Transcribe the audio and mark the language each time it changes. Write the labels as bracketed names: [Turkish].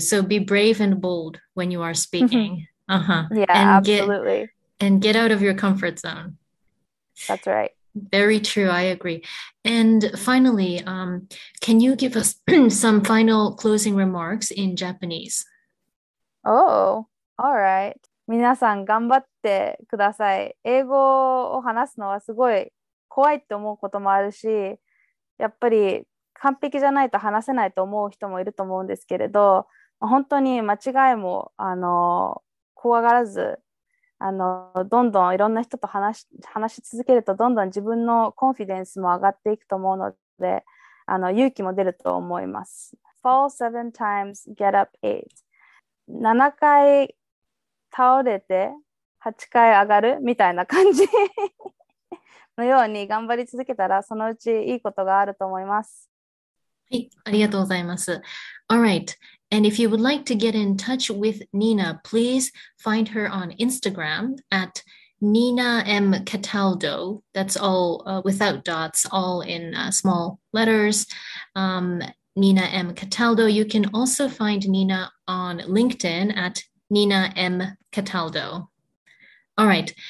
[English] So be brave and bold when you are speaking. Yeah, absolutely. And get out of your comfort zone. That's right. Very true. I agree. And finally, can you give us some final closing remarks in Japanese? Oh, all right. [Japanese] 皆さん頑張ってください。英語を話すのはすごい怖いと思うこともあるし、やっぱり完璧じゃないと話せないと思う人もいると思うんですけれど、本当に間違いも怖がらず、どんどんいろんな人と話し続けると、どんどん自分のコンフィデンスも上がっていくと思うので、勇気も出ると思います。 [English] Fall seven times, get up eight. [Japanese] 7回倒れて8回上がるみたいな感じのように頑張り続けたら、そのうちいいことがあると思います。はい、ありがとうございます。 [English] All right. And if you would like to get in touch with Nina, please find her on Instagram at Nina M. Cataldo. That's all without dots, all in small letters. Nina M. Cataldo. You can also find Nina on LinkedIn at Nina M. Cataldo. All right.